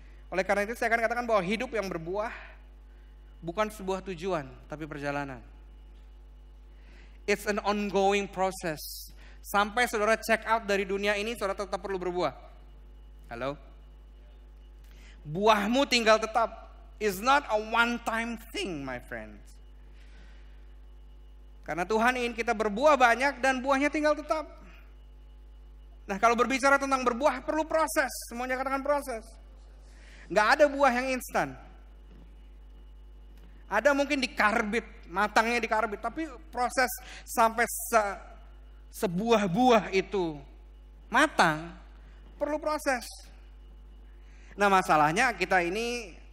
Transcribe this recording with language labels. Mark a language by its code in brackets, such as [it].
[id] Oleh karena itu saya akan katakan bahwa hidup yang berbuah bukan sebuah tujuan, tapi perjalanan. [en] It's an ongoing process. [id] Sampai saudara check out dari dunia ini, saudara tetap perlu berbuah. Halo? Buahmu tinggal tetap. [en] It's not a one time thing, my friends. [id] Karena Tuhan ingin kita berbuah banyak dan buahnya tinggal tetap. Nah kalau berbicara tentang berbuah perlu proses, semuanya katakan proses. Gak ada buah yang instan. Ada mungkin di karbit, matangnya di karbit, tapi proses sampai sebuah buah itu matang, perlu proses. Nah masalahnya kita ini